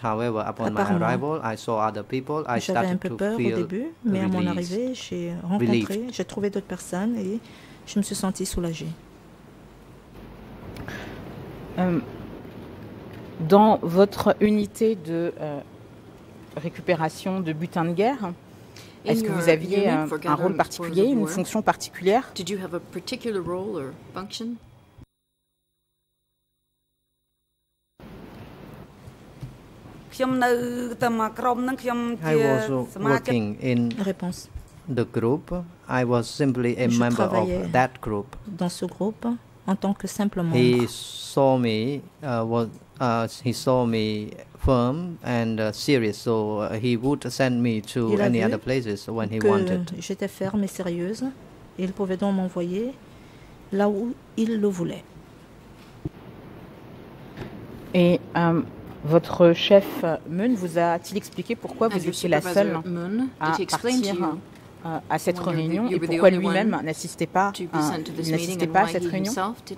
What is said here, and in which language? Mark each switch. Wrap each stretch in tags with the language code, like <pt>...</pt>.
<en>However, upon my arrival, I saw other people. I started to feel relieved.</en> <fr>Mais à mon arrivée, j'ai rencontré, j'ai trouvé d'autres personnes et je me suis sentie soulagée. Dans votre unité de récupération de butins de guerre. Est-ce que vous aviez un rôle particulier, une fonction particulière?</fr> <en>Did you have a particular role or function? I was working in the group. I was simply a member of that group.</en> <fr>Dans ce groupe, en tant que simple membre.</fr> <en>He saw me firm and serious, so he would send me to any other places when he wanted.</en> <fr>J'étais ferme et sérieuse, et il pouvait donc m'envoyer là où il le voulait. Et votre chef Moon vous a-t-il expliqué pourquoi vous étiez la seule à partir à cette réunion et pourquoi lui-même n'assistait pas à cette réunion?</fr>